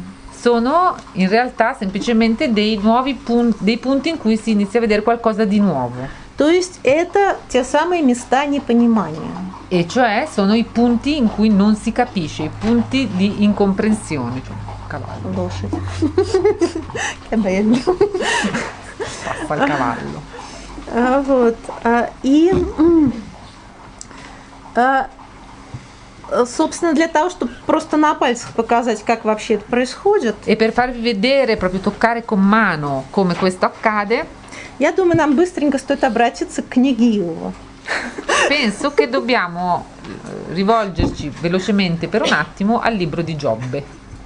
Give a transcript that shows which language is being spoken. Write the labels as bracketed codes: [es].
[it] Sono in realtà semplicemente dei nuovi punti, dei punti in cui si inizia a vedere qualcosa di nuovo. [ru] То есть это те самые места непонимания. [it] E cioè sono i punti in cui non si capisce, i punti di incomprensione. Cavallo. Che bello. Cavallo. [ru] Вот. И, собственно, для того, чтобы просто на пальцах показать, как вообще это происходит. [it] E per farvi vedere, proprio toccare con mano come questo accade. [ru] Я думаю, нам быстренько стоит обратиться к книге Иова. [it] Penso che dobbiamo rivolgerci velocemente per un attimo al libro di Giobbe.